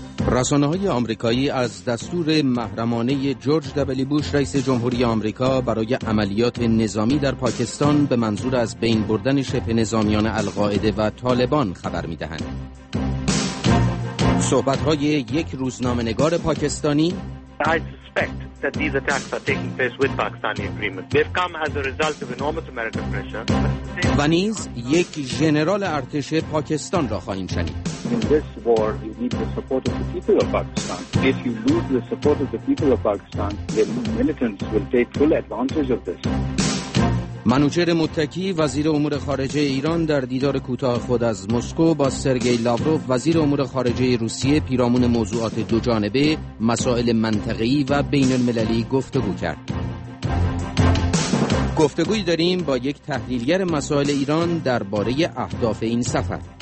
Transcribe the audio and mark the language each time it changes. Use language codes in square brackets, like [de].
[fa] رسانه‌های آمریکایی از دستور محرمانه جورج دبلیو بوش رئیس جمهوری آمریکا برای عملیات نظامی در پاکستان به منظور از بین بردن شبه نظامیان القاعده و طالبان خبر می‌دهند. صحبت‌های یک روزنامه‌نگار پاکستانی: [en] I suspect that these attacks are taking place with Pakistani agreement. They've come as a result of enormous American pressure. [fa] و نیز یک ژنرال ارتش پاکستان را خواهیم شنید. [en] In this war, you need the support of the people of Pakistan. If you lose the support of the people of Pakistan, the militants will take full advantage of this. [fa] منوچهر متکی وزیر امور خارجه ایران در دیدار کوتاه خود از مسکو با سرگئی لاوروف وزیر امور خارجه روسیه پیرامون موضوعات دو جانبه، مسائل منطقه‌ای و بین المللی گفتگو کرد. گفتگویی داریم با یک تحلیلگر مسائل ایران درباره اهداف این سفر.